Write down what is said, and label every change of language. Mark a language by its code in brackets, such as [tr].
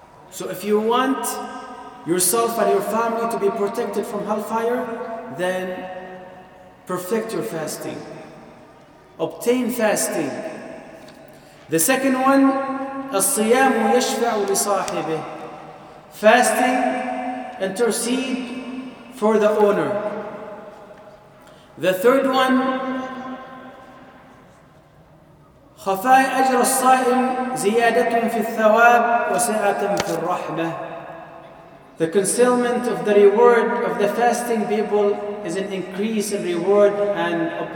[en] So if you want yourself and your family to be protected from hellfire, then perfect your fasting. Obtain fasting. The second one, [ar] الصيام يشفع لصاحبه. [en] Fasting intercede for the owner. The third one, [ar] خفاء أجر الصائم زيادة في الثواب وسعة في الرحمة. [en] The concealment of the reward of the fasting people is an increase in reward and